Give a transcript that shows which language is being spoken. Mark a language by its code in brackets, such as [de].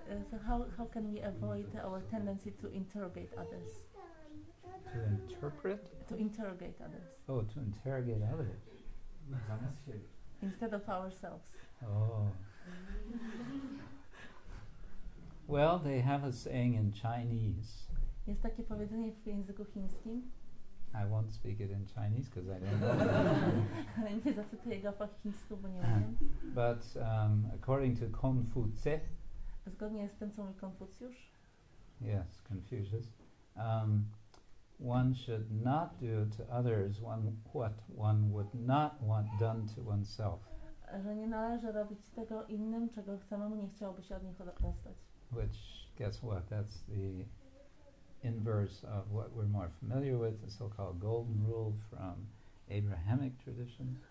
[en] So how can we avoid our tendency to interrogate others? To interpret? To interrogate others. Oh, to interrogate others. Instead of ourselves. Oh. Well, they have a saying in Chinese. [pl] Jest takie powiedzenie w języku chińskim. [en] I won't speak it in Chinese because I don't know. [pl] Nie zacytuję go po chińsku, bo nie wiem. [en] But according to Konfucy. [pl] Zgodnie z tym, co mówi Konfucjusz. [en] Yes, Confucius. One should not do to others what one would not want done to oneself. [pl] Że nie należy robić tego innym, czego samemu nie chciałby się od nich dostać. [en] Which, guess what, that's the inverse of what we're more familiar with, the so-called golden rule from Abrahamic traditions.